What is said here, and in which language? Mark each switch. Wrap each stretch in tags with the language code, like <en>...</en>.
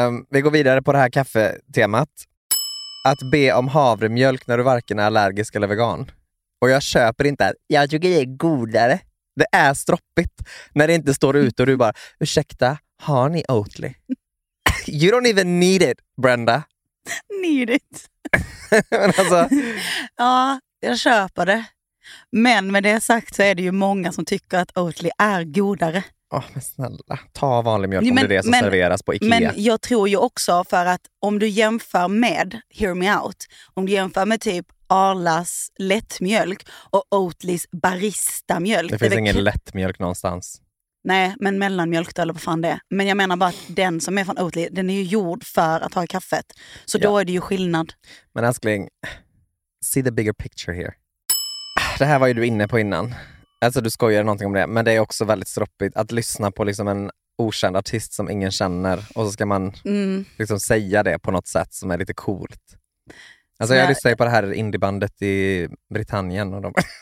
<sv>Vi går vidare på det här kaffetemat. Att be om havremjölk när du varken är allergisk eller vegan. Och jag köper inte. Jag tycker det är godare Det är stroppigt när det inte står ut och du bara, ursäkta, har ni Oatly?</sv> <en>You don't even need it, Brenda. Need it.</en> <sv>Men alltså. Ja, jag köper det. Men med det sagt så är det ju många som tycker att Oatly är godare. Åh, men snälla, ta vanlig mjölk, men om det är det som serveras på Ikea. Men jag tror ju också, för att om du jämför med,</sv> <en>hear me out,</en> <sv>om du jämför med typ Arlas lättmjölk och Oatlys baristamjölk. Det finns ingen lättmjölk någonstans. Nej, men mellanmjölk då, eller vad fan det är. Men jag menar bara att den som är från Oatly, den är ju gjord för att ha kaffet. Så ja, då är det ju skillnad. Men älskling,</sv> <en>see the bigger picture here.</en> <sv>Det här var ju du inne på innan. Alltså du skojar någonting om det. Men det är också väldigt stroppigt att lyssna på liksom en okänd artist som ingen känner. Och så ska man liksom säga det på något sätt som är lite coolt. Alltså jag lyssnar på det här indiebandet i Britannien och de...</sv>